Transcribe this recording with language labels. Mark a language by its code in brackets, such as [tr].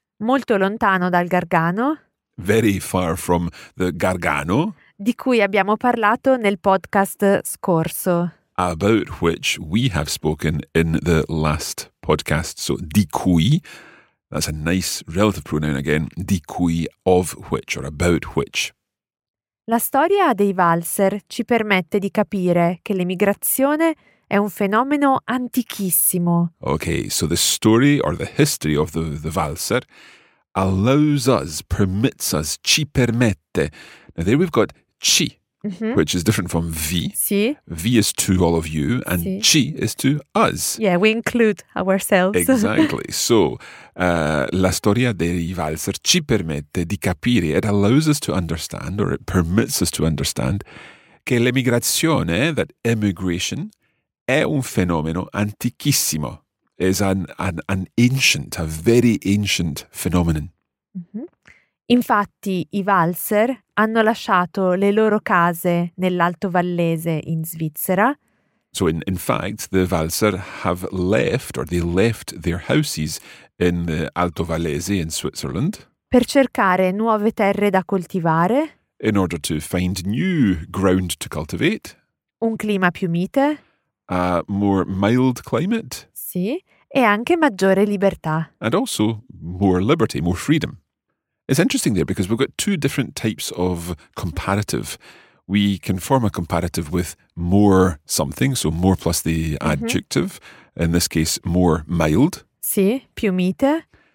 [it] Molto lontano dal Gargano. [en] Very far from the Gargano. [it] Di cui abbiamo parlato nel podcast scorso. [en] About which we have spoken in the last podcast. So, di cui, that's a nice relative pronoun again, di cui, of which, or about which. [it] La storia dei Walser ci permette di capire che l'emigrazione è un fenomeno antichissimo. [en] Okay, so the story or the history of the Walser allows us, permits us, [it] ci permette. [en] Now there we've got ci, which is different from vi. [it] Sì. [en] Vi is to all of you and sì. Ci is to us. Yeah, we include ourselves. Exactly. So, [it] la storia dei Walser ci permette di capire, [en] it allows us to understand or it permits us to understand [it] che l'emigrazione, [en] that emigration, [it] è un fenomeno antichissimo. [en] Is an ancient, a very ancient phenomenon. Mm-hmm. [it] Infatti, i Walser hanno lasciato le loro case nell'Alto Vallese in Svizzera. [en] So in fact, the Walser have left, or they left their houses in the Alto Vallese in Switzerland. [it] Per cercare nuove terre da coltivare. [en] In order to find new ground to cultivate. [it] Un clima più mite. [en] A more mild climate. [it] Sì, e anche maggiore libertà. [en] And also more liberty, more freedom. It's interesting there because we've got two different types of comparative. We can form a comparative with more something, so more plus the adjective, in this case more mild. [it] Sì, più mite.